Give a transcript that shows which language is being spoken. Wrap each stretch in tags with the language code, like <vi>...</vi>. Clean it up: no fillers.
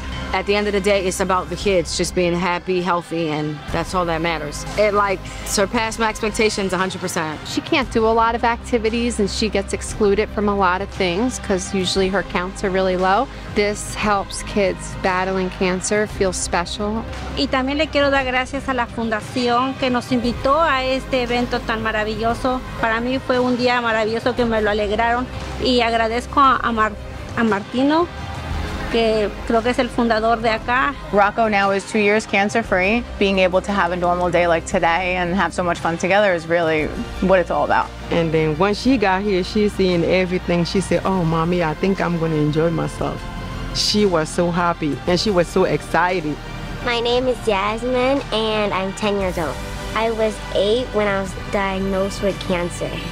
<en>At the end of the day, it's about the kids just being happy, healthy, and that's all that matters. It, like, surpassed my expectations 100%. She can't do a lot of activities, and she gets excluded from a lot of things because usually her counts are really low. This helps kids battling cancer feel special.</en> <es>Y también le quiero dar gracias a la fundación que nos invitó a este evento tan maravilloso. Para mí fue un día maravilloso que me lo alegraron. Y agradezco a Martino. Que creo que es el fundador de acá.</es> <en>Rocco now is 2 years cancer free. Being able to have a normal day like today and have so much fun together is really what it's all about. And then when she got here, she seeing everything. She said, oh mommy, I think I'm gonna enjoy myself. She was so happy and she was so excited. My name is Jasmine and I'm 10 years old. I was 8 when I was diagnosed with cancer.</en>